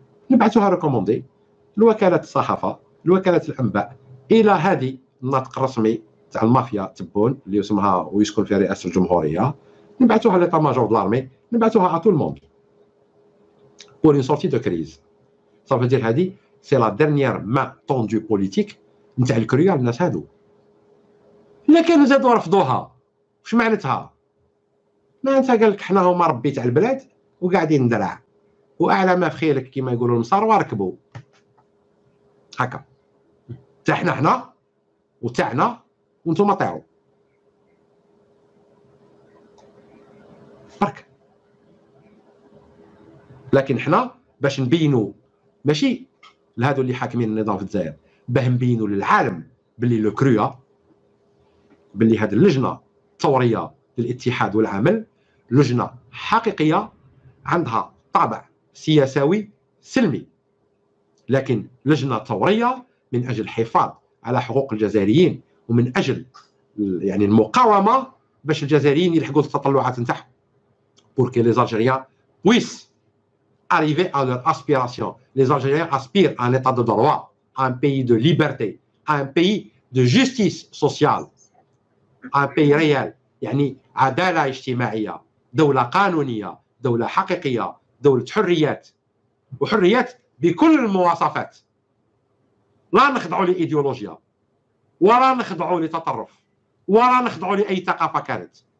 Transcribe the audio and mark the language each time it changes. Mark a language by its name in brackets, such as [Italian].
[Arabic] نبعثوها ريكوموندي لوكاله الصحافه، لوكاله الانباء، الى هذه الناطق الرسمي تاع المافيا تبون اللي اسمها ويسكن في رئاسه الجمهوريه، نبعثوها لطا ماجور دلارمي، نبعثوها ا طول موند [French] pour une sortie de crise. Ça veut dire [Arabic] هذه [French] c'est la dernière main tendue politique [Arabic] نتاع الكرويا الناس هادو. لكن زادوا رفضوها. واش معناتها؟ معناتها قال لك حنا هما ربي تاع البلاد وقاعدين ندرع واعلى ما في خيلك كيما يقولوا المصار واركبوا هكا تاع حنا حنا وتاعنا وانتم طيروا برك. لكن حنا باش نبينوا ماشي لهادو اللي حاكمين النظام في الجزائر، باه نبينوا للعالم باللي لو كرويا باللي هاد اللجنه الثوريه للاتحاد والعمل لجنه حقيقيه عندها طابع سياسوي سلمي، لكن لجنه ثوريه من اجل الحفاظ على حقوق الجزائريين ومن اجل يعني المقاومه باش الجزائريين يلحقوا التطلعات نتاعهم [French] pour que les algériens puissent arriver à leur aspiration. Les Algériens aspirent à un état de droit, à un pays de liberté, à un pays de justice sociale, à un pays réel. [Arabic] يعني عدالة اجتماعية، دولة قانونية، دولة حقيقية، دولة حريات، وحريات بكل المواصفات. لا نخضعوا لإيديولوجيا، ولا نخضعوا لتطرف، ولا نخضعوا لأي ثقافة كانت.